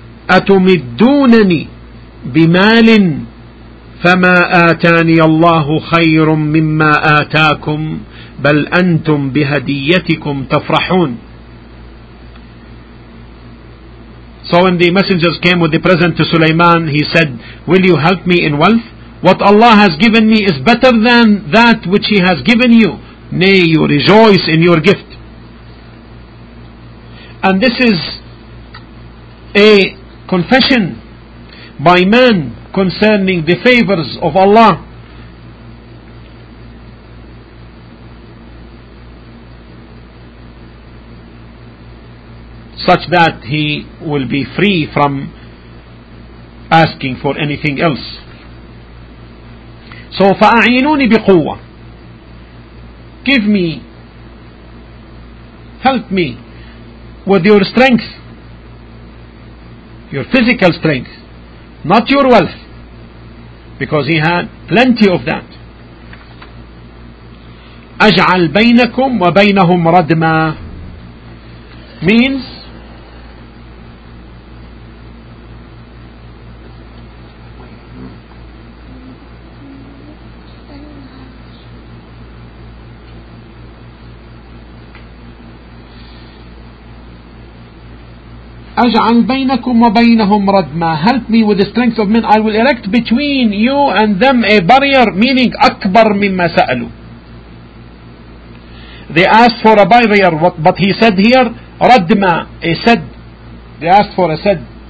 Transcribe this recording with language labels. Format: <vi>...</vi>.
<ar>أتمدونني بمال فما آتاني الله خير مما آتاكم بل أنتم بهديتكم تفرحون.</ar> <en>So when the messengers came with the present to Sulaiman, he said, will you help me in wealth? What Allah has given me is better than that which He has given you. Nay, you rejoice in your gift. And this is a confession by man concerning the favors of Allah. Such that he will be free from asking for anything else. So</en> <ar>فَأَعِينُونِ بِقُوَّةِ.</ar> <en>Give me, help me with your strength, your physical strength, not your wealth, because he had plenty of that.</en> <ar>أَجْعَلْ بَيْنَكُمْ وَبَيْنَهُمْ رَدْمًا</ar> <en>means</en> <ar>أجعل بينكم وبينهم ردما.</ar> <en>Help me with the strength of men. I will erect between you and them a barrier, meaning</en> <ar>أكبر مما سألوا.</ar> <en>They asked for a barrier, but he said here ردما, a sed. They asked for a sed.</en>